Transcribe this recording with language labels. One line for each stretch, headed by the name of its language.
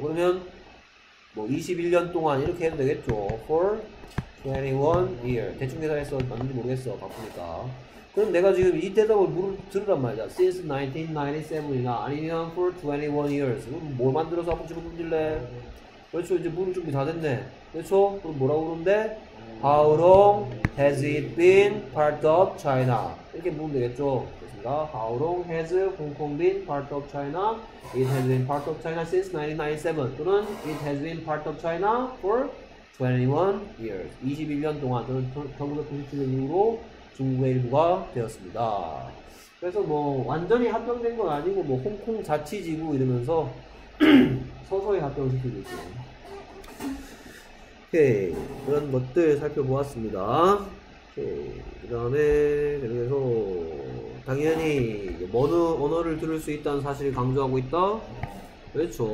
Korean: 그러면 뭐 21년 동안 이렇게 해도 되겠죠.
English: For 21 year.
Korean: 대충 계산해서 맞는지 모르겠어. 바쁘니까. 그럼 내가 지금 이 대답을 들으란 말이야.
English: Since 1997이나
Korean: 아니면
English: for 21 years.
Korean: 그럼 뭘 만들어서 한번 집어던질래? 그렇죠. 이제 물을 준비 다 됐네. 그렇죠? 그럼 뭐라고 그러는데?
English: How long has it been part of China?
Korean: 이렇게 물으면 되겠죠. 그렇습니다.
English: How long has Hong Kong been part of China? It has been part of China since 1997. 또는 It has been part of China for 21 years.
Korean: 21년 동안 또는 1997년 이후로 중국의 일부가 되었습니다. 그래서 뭐 완전히 합병된 건 아니고 뭐 홍콩 자치지구 이러면서 서서히 합병시키고 있죠. 오케이. 그런 것들 살펴보았습니다. 오케이. 그 다음에 그래서 당연히 어느 언어를 들을 수 있다는 사실을 강조하고 있다. 그렇죠.